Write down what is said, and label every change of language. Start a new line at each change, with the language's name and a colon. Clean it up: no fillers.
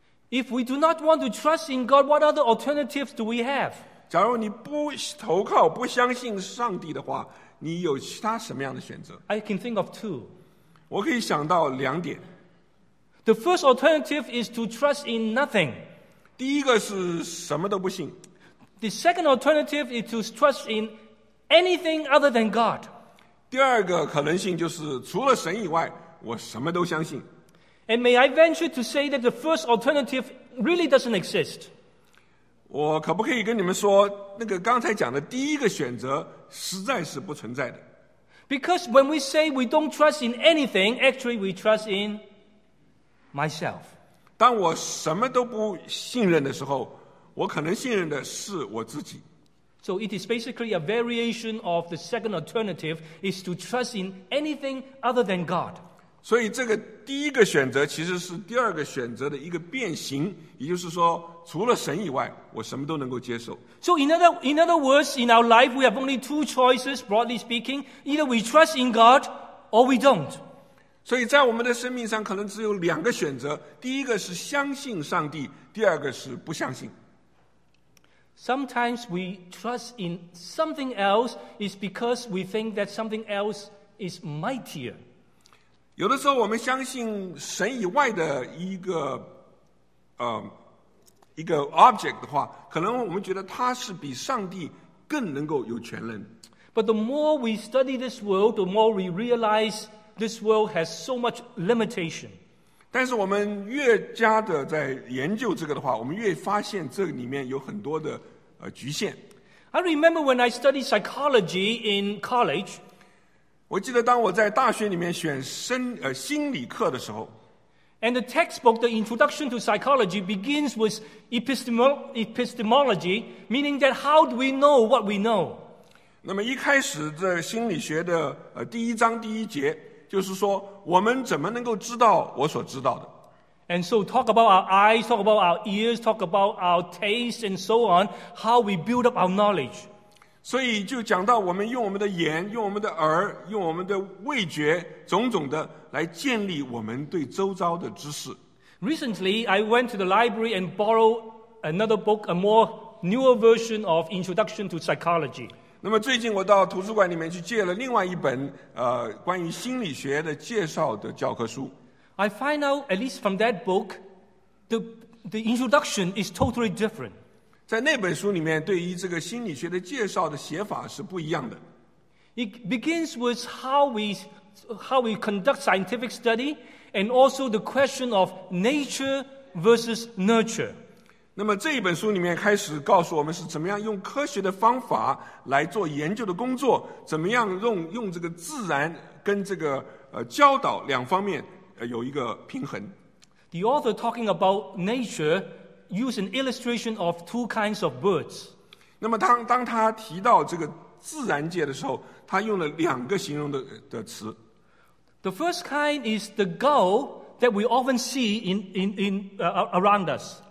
English: If we do not want to trust in God, what other alternatives do we have?
Chinese: 假如你不投靠不相信上帝的话，你有其他什么样的选择？
English: I can think of two.
Chinese: 我可以想到两点。
English: The first alternative is to trust in nothing.
Chinese: 第一个是什么都不信。
English: The second alternative is to trust in anything other than God.
Chinese: 第二个可能性就是除了神以外我什么都相信。
English: And may I venture to say that the first alternative really doesn't exist?
Chinese: 我可不可以跟你们说，那个刚才讲的第一个选择实在是不存在的。
English: Because when we say we don't trust in anything, actually we trust in myself.
Chinese: 当我什么都不信任的时候，我可能信任的是我自己。
English: So it is basically a variation of the second alternative, is to trust in anything other than God.
Chinese: 所以这个第一个选择其实是第二个选择的一个变形，也就是说除了神以外我什么都能够接受。
English: So in other words, in our life we have only two choices, broadly speaking. Either we trust in God or we don't.
Chinese: 所以在我们的生命上可能只有两个选择，第一个是相信上帝，第二个是不相信。
English: Sometimes we trust in something else is because we think that something else is mightier.
Chinese: 有的时候我们相信神以外的一个 object 的话，可能我们觉得它是比上帝更能够有权能。
English: But the more we study this world, the more we realize this world has so much limitation.
Chinese: 但是我们越加的在研究这个的话，我们越发现这里面有很多的局限。
English: I remember when I studied psychology in college.
Chinese: 我记得当我在大学里面选心理课的时候。
English: And the textbook, The Introduction to Psychology, begins with epistemology, meaning that how do we know what we know?
Chinese: 那么一开始的心理学的第一章第一节就是说我们怎么能够知道我所知道的。
English: And so talk about our eyes, talk about our ears, talk about our taste and so on, how we build up our knowledge.
Chinese: 所以就讲到我们用我们的眼，用我们的耳，用我们的味觉，种种的来建立我们对周遭的知识。
English: Recently, I went to the library and borrowed another book, a more newer version of Introduction to Psychology.
Chinese: 那么最近我到图书馆里面去借了另外一本关于心理学的介绍的教科书。
English: I find out at least from that book, the introduction is totally different.
Chinese: 在那本书里面，对于这个心理学的介绍的写法是不一样的。
English: It begins with how we conduct scientific study, and also the question of nature versus nurture.
Chinese: 那么这一本书里面开始告诉我们是怎么样用科学的方法来做研究的工作，怎么样 用这个自然跟这个教导两方面有一个平衡。
English: The author talking about nature used an illustration of two kinds of birds.
Chinese: 那么 当他提到这个自然界的时候，他用了两个形容 的词。
English: The first kind is the gull that we often see in around us.